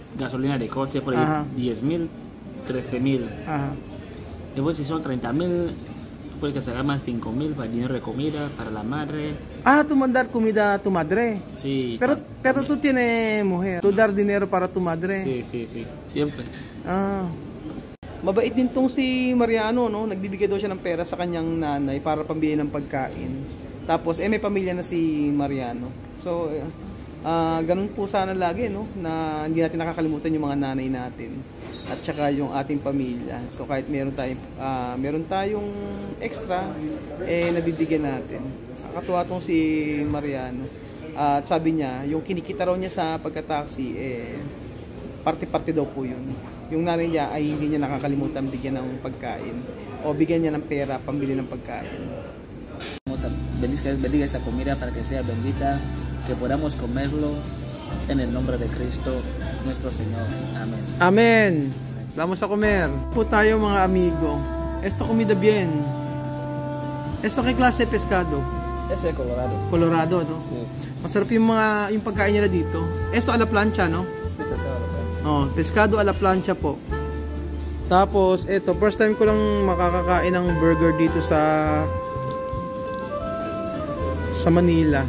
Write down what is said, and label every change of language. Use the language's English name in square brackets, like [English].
[Spanish] Gasolina de coche, por ahí 10.000, 13.000. Ajá. Después si son 30.000, tú puedes sacar más 5.000 para dinero de comida, para la madre. Ah, tú mandar comida a tu madre. Sí. Pero tú tienes mujer. Tú dar dinero para tu madre. Sí. Siempre. [Filipino] Ah. Mabait din tong si Mariano, no? Nagbibigay daw siya ng pera sa kanyang nanay para pambili ng pagkain. Tapos, may pamilya na si Mariano. So, ganun po sana lagi, no? Na hindi natin nakakalimutan yung mga nanay natin. At saka yung ating pamilya. So, kahit meron tayong extra, nabibigyan natin. Nakatuwa tong si Mariano. At sabi niya, yung kinikita raw niya sa pagka-taxi, parte-parte daw po yun. Yung nanay niya ay hindi niya nakakalimutan bigyan ng pagkain o bigyan niya ng pera pambili ng pagkain. [Spanish] Bendiga esa comida para que sea bendita, que podamos comerlo en el nombre de Cristo, nuestro Señor. Amen. Amen. Vamos a comer. [Filipino] Po tayo mga [Spanish] amigo. Esto comida bien. Esto qué clase de pescado? Ese es Colorado. Colorado, no? Sí. [Filipino] Masarap yung mga yung pagkain nila dito. [Spanish] Esto a la plancha, no? Sí, pescado. Oh, pescado a la plancha po. [Filipino] Tapos, eto, [English] first time [Filipino] ko lang makakakain ng burger dito sa Manila.